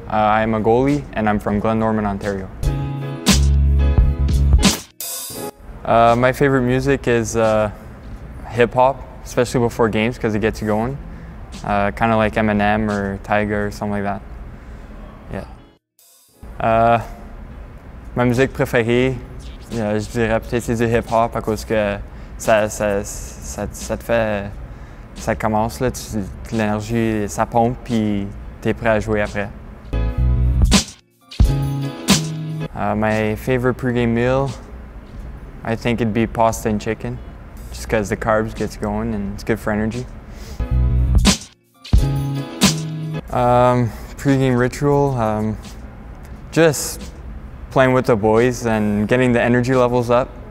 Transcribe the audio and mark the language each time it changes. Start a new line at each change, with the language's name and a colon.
English: I am a goalie, and I'm from Glen Norman, Ontario. My favorite music is hip-hop, especially before games, because it gets you going. Kind of like Eminem or Tyga or something like that. Yeah.
French: Ma musique préférée, je dirais peut-être c'est du hip-hop, à cause que ça te fait... Ça commence, là, l'énergie, ça pompe, puis t'es prêt à jouer après.
English: My favorite pre-game meal, I think it'd be pasta and chicken, just because the carbs gets going and it's good for energy. Pre-game ritual, just playing with the boys and getting the energy levels up.